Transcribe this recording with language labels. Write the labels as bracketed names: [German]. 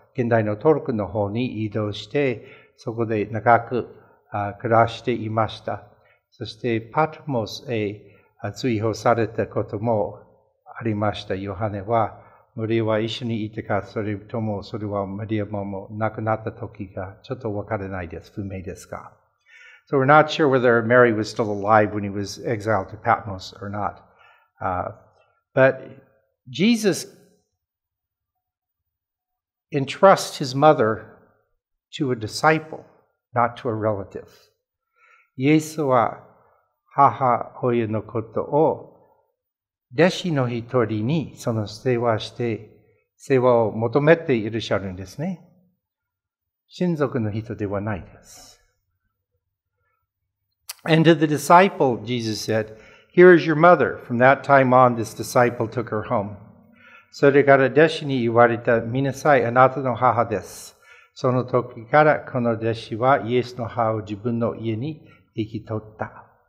[Japanese] 現代のトルコの方に移動して、そこで長く暮らしていました。そしてパトモスへ追放されたこともありました。ヨハネは、マリアは一緒にいたか、それともそれはマリアも亡くなった時がちょっとわからないです。不明ですか。 [English] So we're not sure whether Mary was still alive when he was exiled to Patmos or not. But Jesus entrusts his mother to a disciple, not to a relative. [Japanese] イエスは母親のことを弟子の一人にその世話して、世話を求めていらっしゃるんですね。親族の人ではないです。 [English] And to the disciple, Jesus said, here is your mother. From that time on, this disciple took her home. [Japanese] それから弟子に言われた、見なさい、あなたの母です。その時からこの弟子はイエスの母を自分の家に引き取った。